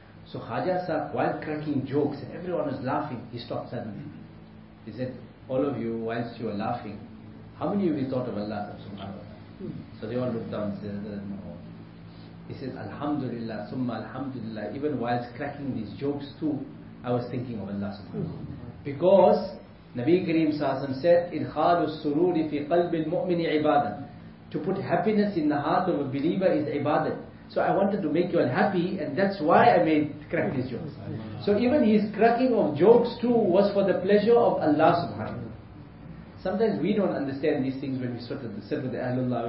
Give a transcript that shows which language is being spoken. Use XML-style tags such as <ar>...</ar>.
<en>So Khaja Sahib, while cracking jokes and everyone was laughing, he stopped suddenly. He said, all of you, whilst you are laughing, how many of you thought of Allah subhanahu wa ta'ala? So they all looked down and said, no. He says, Alhamdulillah, summa Alhamdulillah, even whilst cracking these jokes too, I was thinking of Allah subhanahu wa ta'ala. Because Nabi Kareem Sassam said,</en> <ar>إِدْخَالُ السُّرُورِ فِي قَلْبِ الْمُؤْمِنِ عِبَادًا.</ar> <en>To put happiness in the heart of a believer is ibadah. So I wanted to make you unhappy, and that's why I made crack these jokes. So even his cracking of jokes too was for the pleasure of Allah subhanahu wa ta'ala. Sometimes we don't understand these things when we sit with the Ahlullah.</en>